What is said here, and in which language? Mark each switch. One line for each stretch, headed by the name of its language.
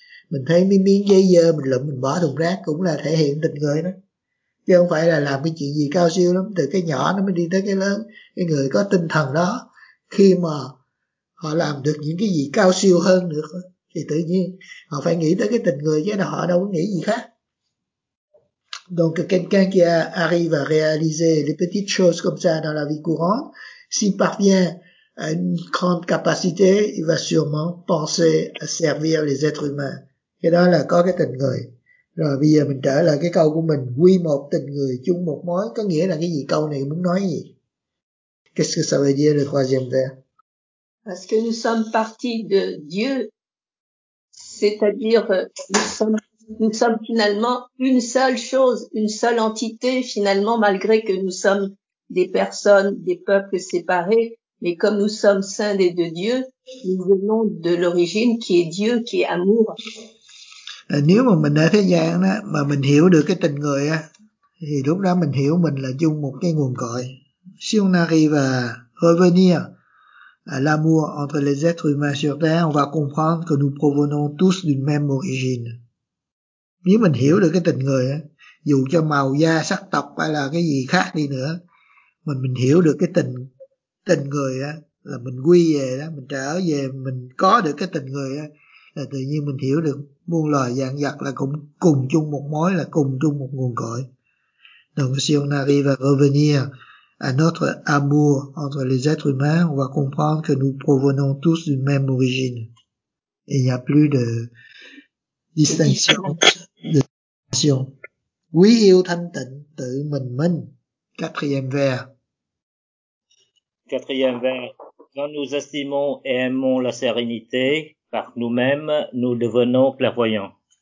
Vietnamese: Mình thấy miếng dây dơ mình lụm mình bỏ thùng rác cũng là thể hiện tình người đó, chứ không phải là làm cái chuyện gì cao siêu lắm. Từ cái nhỏ nó mới đi tới cái lớn. Cái người có tinh thần đó khi mà họ làm được những cái gì cao siêu hơn được thì tự nhiên họ phải nghĩ tới cái tình người, chứ là họ đâu có nghĩ gì khác.
French: Donc quelqu'un qui arrive à réaliser les petites choses comme ça dans la vie courante, s'il parvient à une grande capacité, il va sûrement penser à servir les êtres humains.
Vietnamese: Cái đó là có cái tình người. Rồi bây giờ mình trở lại cái câu của mình, quy một tình người chung một mối, có nghĩa là cái gì? Câu này muốn nói gì?
French: Qu'est-ce que ça veut dire le troisième vers? Parce que nous sommes partis de Dieu, c'est-à-dire nous sommes finalement une seule chose, une seule entité, finalement, malgré que nous sommes des personnes, des peuples séparés, mais comme nous sommes scindés de Dieu, nous venons de l'origine qui est Dieu, qui est amour.
Vietnamese: Nếu mà mình ở thế gian đó, mà mình hiểu được cái tình người á, thì lúc đó mình hiểu mình là chung một cái nguồn cội.
French: Si on arrive à revenir à l'amour entre les êtres humains sur terre, on va comprendre que nous provenons tous d'une même origine.
Vietnamese: Nếu mình hiểu được cái tình người, dù cho màu da sắc tộc hay là cái gì khác đi nữa, mình hiểu được cái tình người là mình quy về đó, mình trở về, mình có được cái tình người là tự nhiên mình hiểu được muôn loài vạn vật là cũng cùng chung một mối, là cùng chung một nguồn cội.
French: Donc si on arrive à revenir à notre amour entre les êtres humains, on va comprendre que nous provenons tous d'une même origine. Et il n'y a plus de distinction.
Vietnamese: Quý yêu thanh tịnh tự mình.
French: Quatrième vers. Quand nous estimons et aimons la sérénité par nous-mêmes, nous devenons clairvoyants.